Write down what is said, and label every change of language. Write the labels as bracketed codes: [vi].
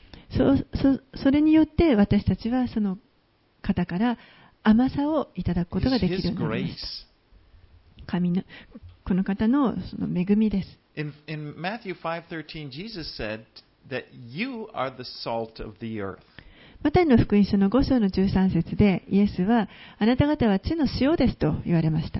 [ja] それによって私たちはその方から甘さをいただくことができるようになりました。神のこの方のその恵みです。 [en] In Matthew 5:13, Jesus said that you are the salt of the earth. [ja] マタイの福音書の5章の13節で、イエスはあなた方は地の塩ですと言われました。